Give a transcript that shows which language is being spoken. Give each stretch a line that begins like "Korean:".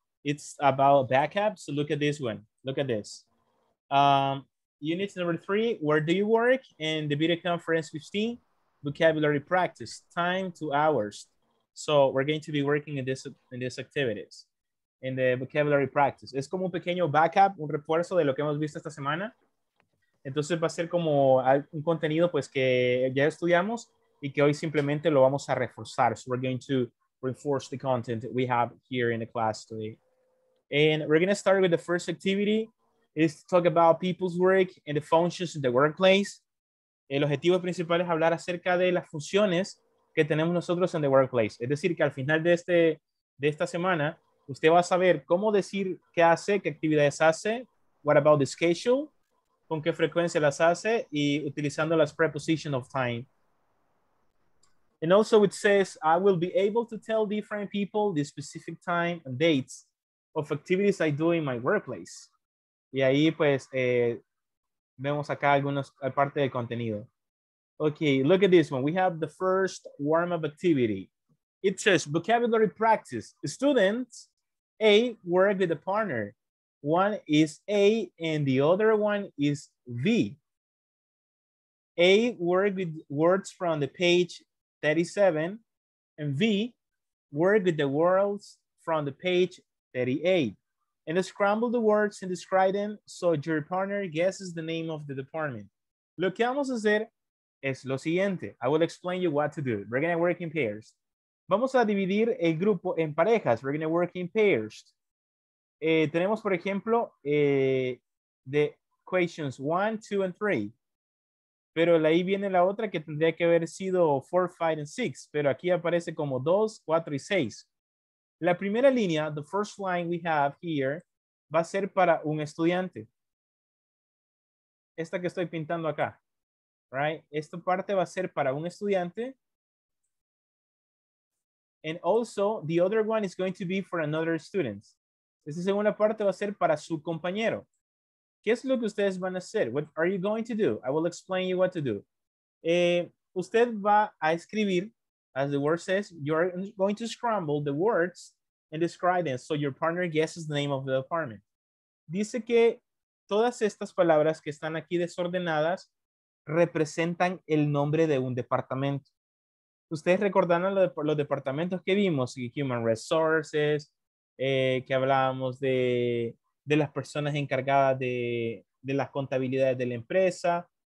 English: It's about backup. So look at this one. Look at this. Unit number 3, where do you work? And the video conference 15, vocabulary practice, time to hours. So we're going to be working in this activities, in the vocabulary practice.
Spanish: Es como un pequeño backup, un refuerzo de lo que hemos visto esta semana. Entonces va a ser como un contenido pues que ya estudiamos y que hoy simplemente lo vamos a reforzar.
English: So we're going to reinforce the content that we have here in the class today. And we're going to start with the first activity. Is to talk about people's work and the functions in the workplace.
Spanish: El objetivo principal es hablar acerca de las funciones que tenemos nosotros en
English: the workplace.
Spanish: Es decir, que al final de esta semana, usted va a saber cómo decir qué hace, qué actividades hace,
English: what about the schedule,
Spanish: con qué frecuencia las hace, y utilizando las
English: prepositions of time. And also it says, I will be able to tell different people the specific time and dates of activities I do in my workplace.
Spanish: Y ahí, pues, vemos acá algunos, parte del contenido.
English: Okay, look at this one. We have the first warm-up activity. It says, vocabulary practice. Students A work with a partner. One is A and the other one is V. A work with words from the page 37 and V work with the words from the page 38. And scramble the words and describe them so your partner guesses the name of the department.
Spanish: Lo que vamos a hacer es lo siguiente.
English: I will explain you what to do. We're going to work in pairs.
Spanish: Vamos a dividir el grupo en parejas.
English: We're going to work in pairs.
Spanish: Tenemos, por ejemplo,
English: the questions 1, 2, and 3.
Spanish: Pero ahí viene la otra que tendría que haber sido 4, 5, and 6. Pero aquí aparece como 2, 4, and 6. La primera línea,
English: the first line we have here,
Spanish: va a ser para un estudiante. Esta que estoy pintando acá, right? Esta parte va a ser para un estudiante.
English: And also, the other one is going to be for another student.
Spanish: Esta segunda parte va a ser para su compañero. ¿Qué es lo que ustedes van a hacer?
English: What are you going to do? I will explain you what to do.
Spanish: Usted va a escribir.
English: As the word says, you're going to scramble the words and describe them so your partner guesses the name of the department.
Spanish: Dice que todas estas palabras que están aquí desordenadas representan el nombre de un departamento. Ustedes recordaron los departamentos que vimos, Human Resources, que hablábamos de las personas encargadas de las contabilidades de la empresa.